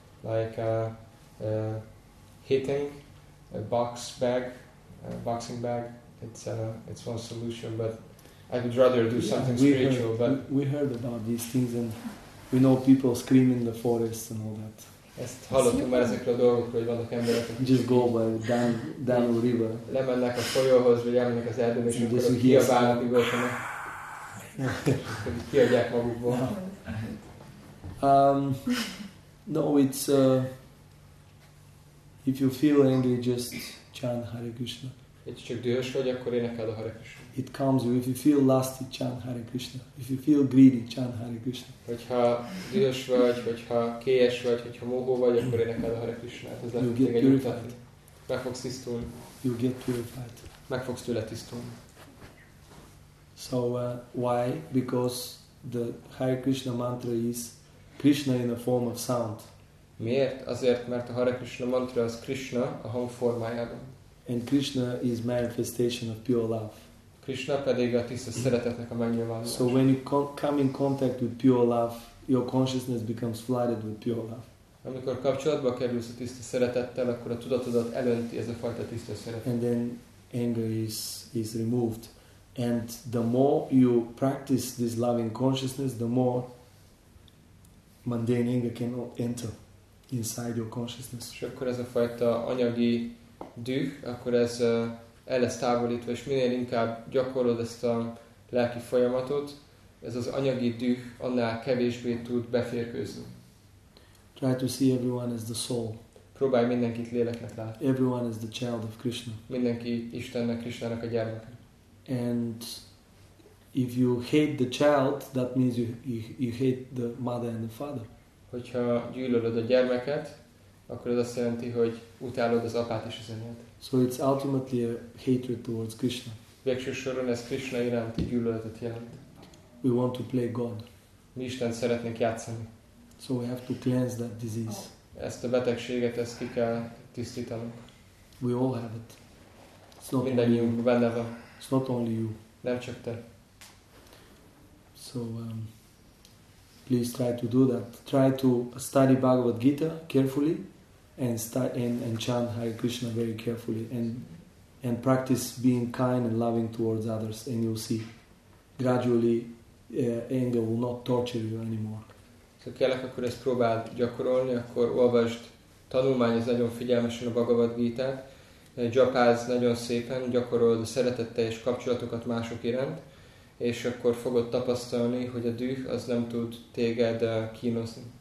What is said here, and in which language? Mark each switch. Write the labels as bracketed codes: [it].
[en] Like hitting a boxing bag, it's one solution, but I would rather do something spiritual. We heard about these things, and we know people scream in the forest and all that. [hu] Ezt hallottuk már ezekről a dolgokról, hogy vannak emberek, akik... [en] Just go by down the river. [hu] Lemennek a folyóhoz, vagy elmennek az erdőn, és akkor ott kiabálnak, igazának. Kiadják magukból. [en] No, it's if you feel angry, just chant Hare Krishna. [hu] Ha csak dühös vagy, akkor énekeld a Hare Krishna. [en] It calms you. If you feel lusty, chant Hare Krishna. If you feel greedy, chant Hare Krishna. [hu] Hogyha dühös vagy, hogyha kéjes vagy, hogyha mohó vagy, akkor énekeld a Hare Krishna. Ez lehet egy utat. Meg fogsz tisztulni. [en] You get purified. [hu] Meg fogsz tőle tisztulni. [en] So why? Because the Hare Krishna mantra is Krishna in the form of sound. [hu] Miért? Azért, mert a Hare Krishna mantra az Krishna a hangformájában. [en] And Krishna is manifestation of pure love. [hu] Krishna pedig a tiszta szeretetnek a megnyilvánulása. [en] So when you come in contact with pure love, your consciousness becomes flooded with pure love. [hu] Amikor kapcsolatba kerülsz a tiszta szeretettel, akkor a tudatodat elönti ez a fajta tiszta szeretet. [en] And then anger is removed. And the more you practice this loving consciousness, the more mundane anger can enter inside your consciousness. [hu] És akkor ez a fajta anyagi düh, akkor ez el lesz távolítva, és minél inkább gyakorlod ezt a lelki folyamatot, ez az anyagi düh annál kevésbé tud beférkőzni. [en] Try to see everyone as the soul. [hu] Próbálj mindenkit léleknek látni. [en] Everyone is the child of Krishna. [hu] Mindenki Istennek, Krishnának a gyermeke. [en] And if you hate the child, that means you hate the mother and the father. [hu] Hogyha gyűlölöd a gyermeket, akkor ez azt jelenti, hogy utálod az apát és az anyát. [en] So it's ultimately a hatred towards Krishna. [hu] Végső soron ez Krishna iránti gyűlöletet jelent. [en] We want to play God. [hu] Mi Istent szeretnénk játszani. [en] So we have to cleanse that disease. [hu] Ezt a betegséget, ezt ki kell tisztítanunk. [en] We all have it. [hu] Mindannyiunk benne van. [en] It's not only you. [hu] Nem csak te. [en] So please try to do that. Try to study Bhagavad Gita carefully and chant Hare Krishna very carefully and practice being kind and loving towards others, and you'll see gradually anger will not torture you anymore. [hu] So kellek, akkor ezt próbáld gyakorolni, akkor olvasd, tanulmányozz nagyon figyelmesen a Bhagavad Gita-t, japázz nagyon szépen, gyakorold a szeretetteljes kapcsolatokat mások iránt, és akkor fogod tapasztalni, hogy a düh az nem tud téged kínozni.